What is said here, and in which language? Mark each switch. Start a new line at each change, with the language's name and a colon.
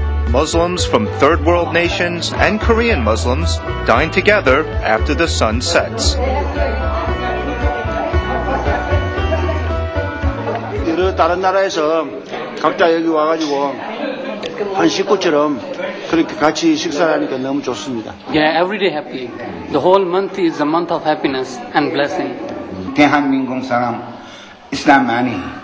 English: Muslims from third world nations and Korean Muslims dine together after the sun sets.
Korean: 여러 다른 나라에서 각자 여기 와가지고 한 식구처럼 그렇게 같이 식사하니까 너무 좋습니다.
English: Yeah, every day happy. The whole month is a month of happiness and blessing.
Korean: 대한민국 사람 이슬람 많이.